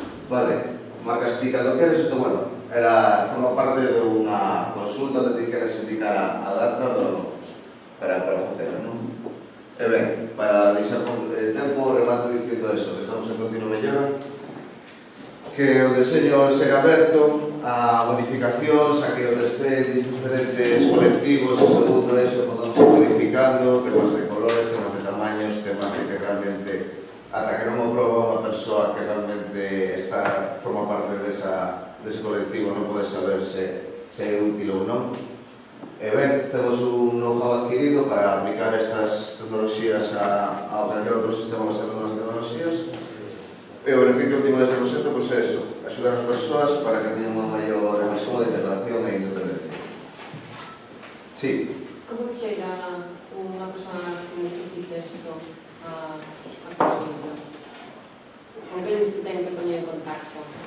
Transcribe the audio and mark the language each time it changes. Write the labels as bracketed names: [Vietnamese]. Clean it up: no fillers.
[Spanish] Vale, marcas clic a lo que eres, esto bueno, era, forma parte de una consulta donde tienes que indicar adaptado para funcionar, ¿no? Bien, para dejar con el tiempo, remato diciendo eso, que estamos en continuo mejora. [Galician] Que o diseño sea aberto a modificacións, a que onde estén diferentes colectivos, e segundo eso, podamos ir modificando temas de colores, temas de tamaños, temas de que realmente, ata que non o proba unha persoa que realmente está, forma parte dese colectivo, non pode saber se é útil ou non. E ben, temos un know-how adquirido para aplicar estas tecnologías a calquera outro sistema basado nas tecnologías. E o beneficio último deste proxecto pois é iso, axudar as persoas para que teñan unha maior máximo de integración e independencia. Sí. Como chega unha persoa que necesite isto a conseguirlo? Con quen se ten que poñer en contacto?